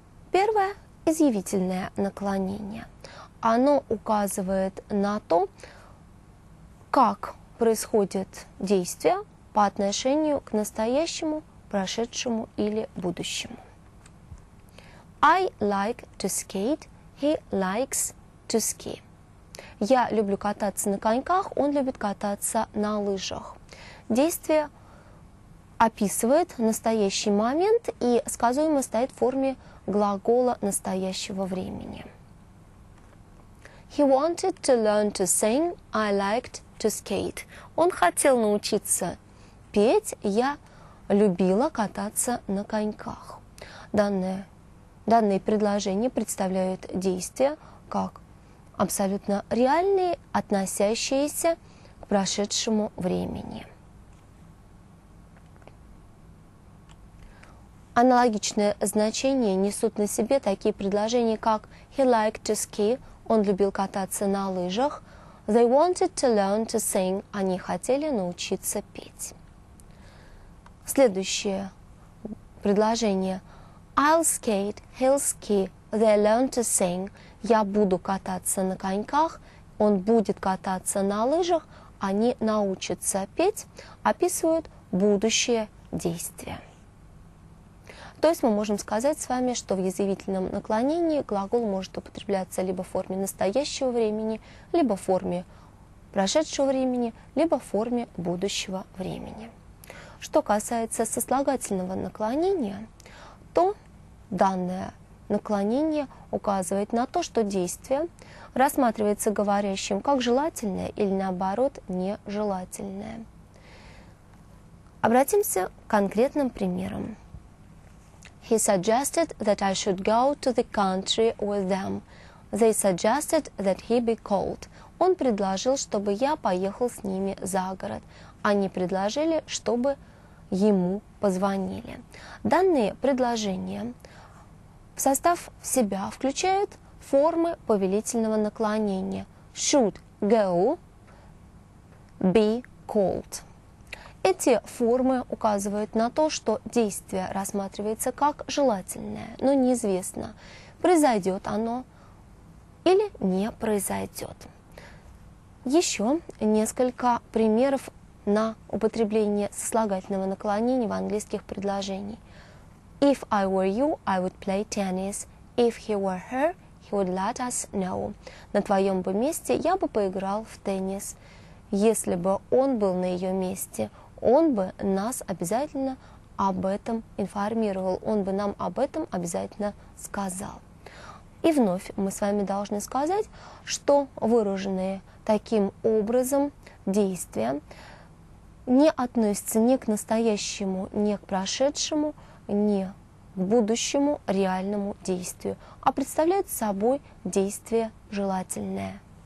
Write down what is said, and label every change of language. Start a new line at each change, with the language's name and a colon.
Russian: Первое – изъявительное наклонение. Оно указывает на то, как происходит действие по отношению к настоящему, прошедшему или будущему.
English: I like to skate, he likes to ski.
Russian: Я люблю кататься на коньках, он любит кататься на лыжах. Действие описывает настоящий момент и сказуемо стоит в форме глагола настоящего времени.
English: He wanted to learn to sing, I liked to skate.
Russian: Он хотел научиться петь, я любила кататься на коньках. Данные предложения представляют действия как абсолютно реальные, относящиеся к прошедшему времени. Аналогичное значение несут на себе такие предложения, как
English: he liked to ski,
Russian: он любил кататься на лыжах,
English: they wanted to learn to sing,
Russian: они хотели научиться петь. Следующее предложение.
English: I'll skate, he'll ski, they learn to sing.
Russian: Я буду кататься на коньках, он будет кататься на лыжах, они научатся петь. Описывают будущее действие. То есть мы можем сказать с вами, что в язвительном наклонении глагол может употребляться либо в форме настоящего времени, либо в форме прошедшего времени, либо в форме будущего времени. Что касается сослагательного наклонения, то данное наклонение указывает на то, что действие рассматривается говорящим как желательное или наоборот нежелательное. Обратимся к конкретным примерам.
English: He suggested that I should go to the country with them. They suggested that he be called.
Russian: Он предложил, чтобы я поехал с ними за город. Они предложили, чтобы ему позвонили. Данные предложения в состав себя включают формы повелительного наклонения.
English: Should go be called.
Russian: Эти формы указывают на то, что действие рассматривается как желательное, но неизвестно, произойдет оно или не произойдет. Еще несколько примеров на употребление сослагательного наклонения в английских предложениях.
English: If I were you, I would play tennis. If he were her, he would let us know.
Russian: На твоем бы месте я бы поиграл в теннис. Если бы он был на ее месте, он бы нас обязательно об этом информировал. Он бы нам об этом обязательно сказал. И вновь мы с вами должны сказать, что выраженные таким образом действия не относится ни к настоящему, ни к прошедшему, ни к будущему реальному действию, а представляет собой действие желательное.